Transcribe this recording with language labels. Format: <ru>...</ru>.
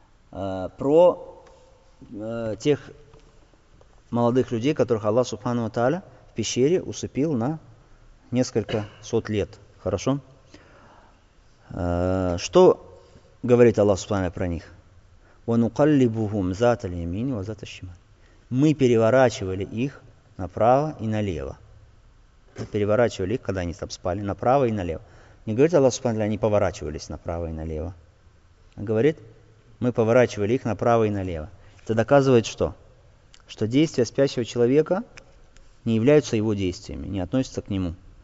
<ru>Про тех молодых людей, которых Аллах Субхану ва Тааля в пещере усыпил на несколько сот лет. Хорошо? Что говорит Аллах Субхану про них?</ru> <ar>وَنُقَلِّبُهُمْ ذَاتَ الْيَمِينِ وَذَاتَ الشِّمَالِ.</ar> <ru>Мы переворачивали их направо и налево. Переворачивали их, когда они там спали, направо и налево. Не говорит Аллах Субхану, они поворачивались направо и налево. А говорит, мы поворачивали их направо и налево. Это доказывает что? Что действия спящего человека не являются его действиями, не относятся к нему.</ru>